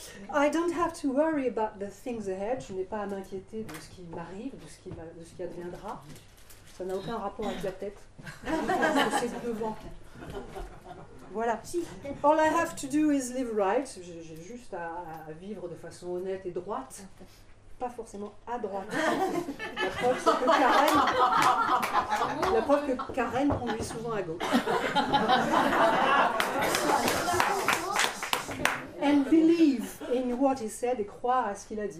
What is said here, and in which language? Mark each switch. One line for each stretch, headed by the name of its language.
English: Alors, I don't have to worry about the things ahead.
French: Je n'ai pas à m'inquiéter de ce qui m'arrive, de ce qui adviendra. Ça n'a aucun rapport avec la tête. C'est devant. Voilà.
English: All I have to do is live right.
French: J'ai juste à vivre de façon honnête et droite. Pas forcément à droite. La preuve, c'est que Karen... La preuve que Karen conduit souvent à gauche.
English: And believe in what he said et croire à ce qu'il a dit.